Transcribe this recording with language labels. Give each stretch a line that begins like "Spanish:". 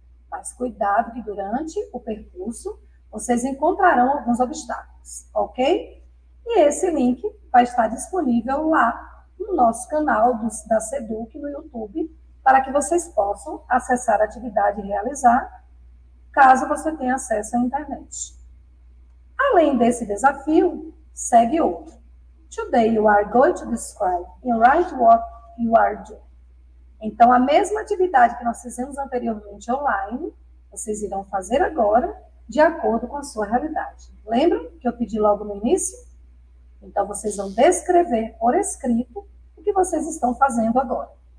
Portuguese: Mas cuidado que durante o percurso, vocês encontrarão alguns obstáculos, ok? E esse link vai estar disponível lá no nosso canal da Seduc no YouTube, para que vocês possam acessar a atividade e realizar, caso você tenha acesso à internet. Além desse desafio, segue outro.
English: Today you are going to describe and write what you are doing.
Portuguese: Então, a mesma atividade que nós fizemos anteriormente online, vocês irão fazer agora, de acordo com a sua realidade. Lembram que eu pedi logo no início? Então, vocês vão descrever por escrito o que vocês estão fazendo agora.